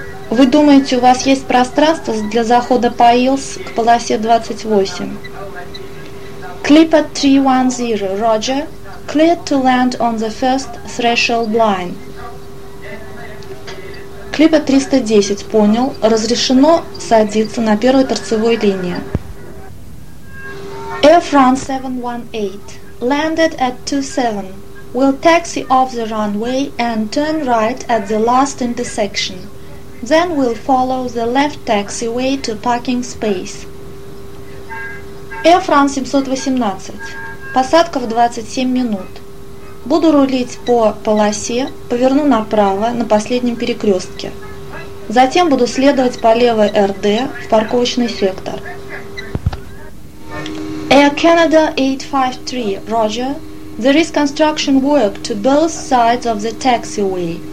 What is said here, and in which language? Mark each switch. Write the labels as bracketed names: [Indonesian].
[Russian] Вы думаете, у вас есть пространство для захода по ILS к полосе 28? [English] Clipper 310, Roger, cleared to land on the first threshold line. [Russian] Clipper 310, понял, разрешено садиться на первой торцевой линии. [English] Air France 718, landed at 27, will taxi off the runway and turn right at the last intersection, then will follow the left taxiway to parking space. [Russian] Air France 718. Посадка в 27 минут. Буду рулить по полосе, поверну направо на последнем перекрестке. Затем буду следовать по левой РД в парковочный сектор. [English] Air Canada 853. Roger. There is construction work to both sides of the taxiway.